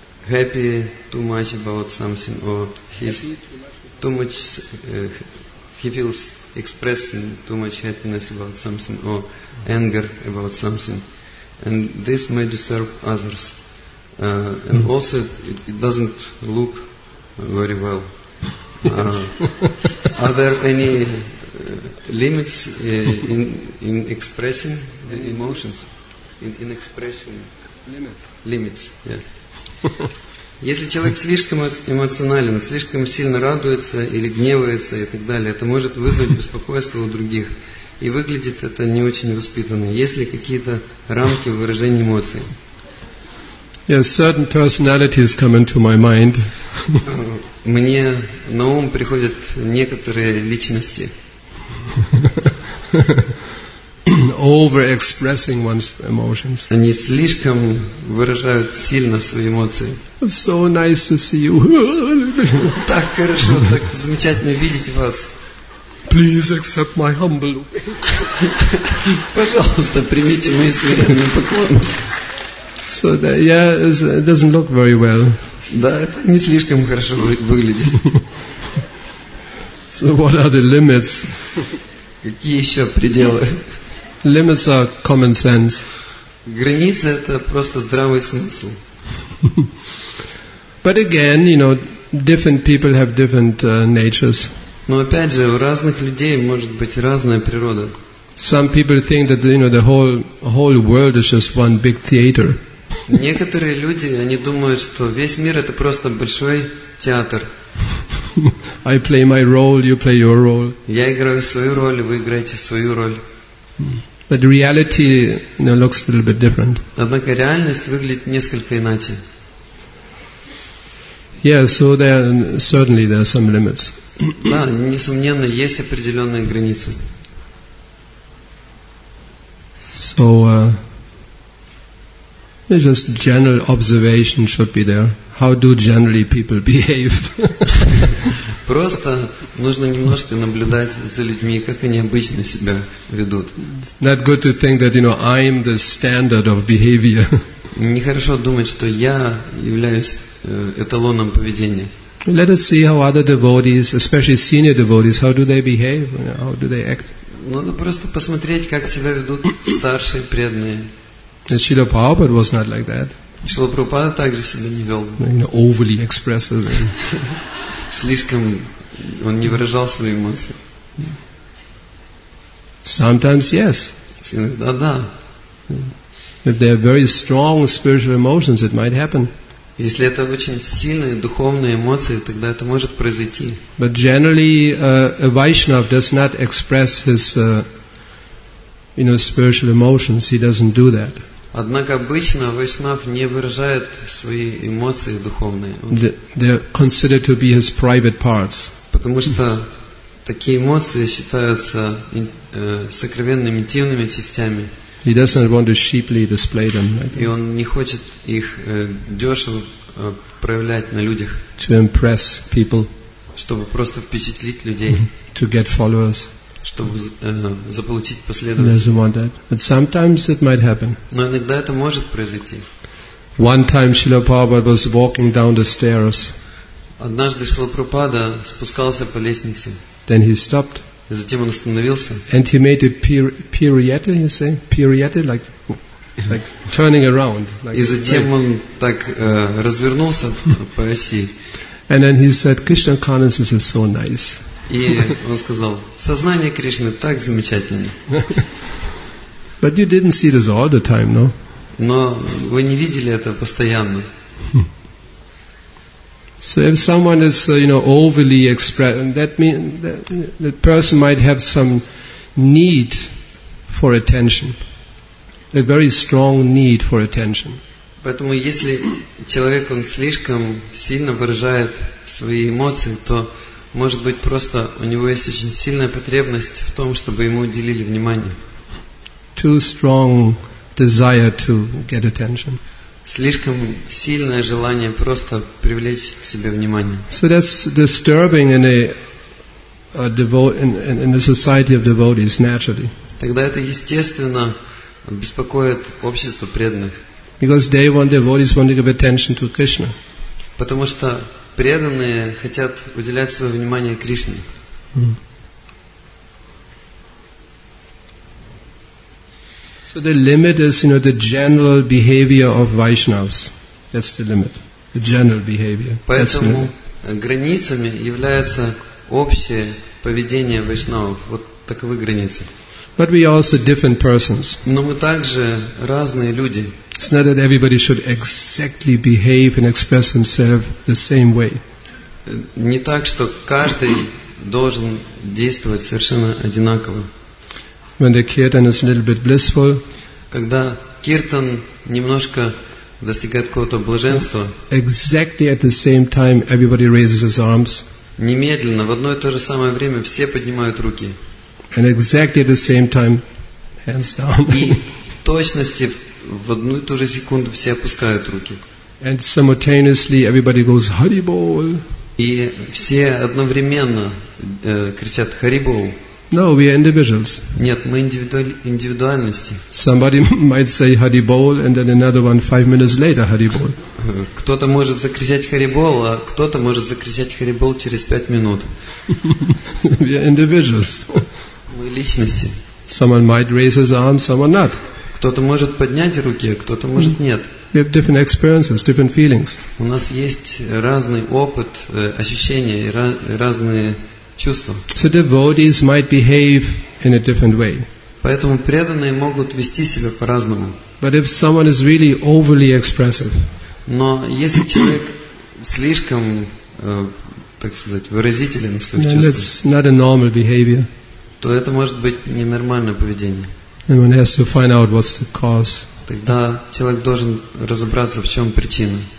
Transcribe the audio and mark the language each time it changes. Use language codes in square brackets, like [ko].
[en] happy too much about something, or he's too much, he feels expressing too much happiness about something, or anger about something, and this may disturb others. And also, it doesn't look very well. Are there any limits in expressing the emotions? In expression limits. Yeah. [ru] Если человек слишком эмоционален, слишком сильно радуется или гневается и так далее, это может вызвать беспокойство у других. И выглядит это не очень воспитанно. Есть ли какие-то рамки выражения эмоций? [en] Yes, certain personalities come into my mind. [ru] Мне на ум приходят некоторые личности. [en] Overexpressing one's emotions. [ru] Они слишком выражают сильно свои эмоции. [en] So nice to see you. [ru] Так хорошо, так замечательно видеть вас. [en] Please accept my humble obeisance. [ru] Пожалуйста, примите мои смиренные поклоны. [en] So that, yeah, it doesn't look very well. [ru] Да, это не слишком хорошо выглядит. [en] So what are the limits? [ru] Какие еще пределы? [en] Limits are common sense. [ru] Границы — это просто здравый смысл. [en] But again, you know, different people have different natures. [ru] Но опять же, у разных людей может быть разная природа. [en] Some people think that, you know, the whole world is just one big theater. [ru] Некоторые люди, они думают, что весь мир — это просто большой театр. [en] I play my role, you play your role. [ru] Я играю свою роль, вы играете свою роль. [en] But reality, you know, looks a little bit different. [ru] Однако реальность выглядит несколько иначе. [en] Yeah, so there certainly there are some limits. [ru] Да, несомненно, есть определенные границы. [en] So, it's just general observation should be there. How do generally people behave? [ru] Просто нужно немножко наблюдать за людьми, как они обычно себя ведут. [en] Not good to think that, you know, I'm the standard of behavior. [ru] Нехорошо думать, что я являюсь эталоном поведения. [en] Let us see how other devotees, especially senior devotees, how do they behave, how do they act. [ru] Надо просто посмотреть, как себя ведут старшие преданные. [en] Шрила Прабхупада was not like that. [ru] Шрила Прабхупада также себя не вел. [en] You know, overly expressive. [ru] Слишком он не выражал свои эмоции. [en] Sometimes yes. [ru] Иногда да. [en] If there are very strong spiritual emotions, it might happen. [ru] Если это очень сильные духовные эмоции, тогда это может произойти. [en] But generally, a Vaishnav does not express his, you know, spiritual emotions. He doesn't do that. [ru] Однако обычно Вайшнав не выражает свои эмоции духовные. [en] They are considered to be his private parts. [ru] Потому что такие эмоции считаются сокровенными, интимными частями. [en] He does not want to sheeply display them. [ru] И он не хочет их дешево проявлять на людях. [en] To impress people. [ru] Чтобы просто впечатлить людей. [en] To get followers. [ru] Чтобы заполучить последователей. Но иногда это может произойти. [en] One time Srila Prabhupada was walking down the stairs. [ru] Однажды Шрила Прабхупада спускался по лестнице. [en] Then he stopped. [ru] И затем он остановился. [en] And he made a pirouette, you say? Pirouette, like turning around. [ru] И затем он так развернулся по оси. [en] And then he said, Krishna consciousness is so nice. [ru] И он сказал: сознание Кришны так замечательно. [en] But you didn't see this all the time, no? [ru] Но вы не видели это постоянно. [en] So if someone is, you know, overly expressive, that means that person might have some need for attention, a very strong need for attention. [ru] Поэтому если человек он слишком сильно выражает свои эмоции, то может быть, просто у него есть очень сильная потребность в том, чтобы ему уделили внимание. [en] Too strong desire to get attention. [ru] Слишком сильное желание просто привлечь к себе внимание. [en] So that's disturbing in a devotee, in a society of devotees, naturally. [ru] Тогда это естественно беспокоит общество преданных. [en] Because they want, devotees want to give attention to Krishna. [ru] Потому что преданные хотят уделять свое внимание Кришне. [en] So the limit is, you know, the general behavior of Vaishnavas. That's the limit. The general behavior. [ru] Поэтому границами является общее поведение вайшнавов. Вот таковы границы. [en] But we also different persons. [ru] Но мы также разные люди. [en] It's not that everybody should exactly behave and express himself the same way. [ru] Не так, что каждый должен действовать совершенно одинаково. [en] When the kirtan is a little bit blissful, [ru] когда киртан немножко достигает какого-то блаженства, [en] exactly at the same time everybody raises his arms. [ru] Немедленно, в одно и то же самое время все поднимают руки. [en] And exactly at the same time, hands down. [ru] И в точности в одну и ту же секунду все опускают руки. [en] And simultaneously everybody goes Hari Bol. [ru] И все одновременно кричат Hari Bol. [en] No, we are individuals. [ru] Нет, мы индивидуальности. [en] Somebody might say Hari Bol, and then another one 5 minutes later Hari Bol. [ru] Кто-то может закричать Hari Bol, а кто-то может закричать Hari Bol через 5 минут. [en] We are individuals. [ru] Мы личности. [en] Someone might raise his arm, someone not. [ru] Кто-то может поднять руки, а кто-то может нет. [en] We have different experiences, different feelings. [ru] У нас есть разный опыт, ощущения и разные чувства. [en] So devotees might behave in a different way. [ru] Поэтому преданные могут вести себя по-разному. [en] But if someone is really overly expressive, [ru] но если человек слишком, так сказать, выразителен в своих чувствах, [en] that's not a normal behavior. [ru] То это может быть ненормальное поведение. [en] And one has to find out what's the cause. [ru] Тогда человек должен разобраться, в чем причина.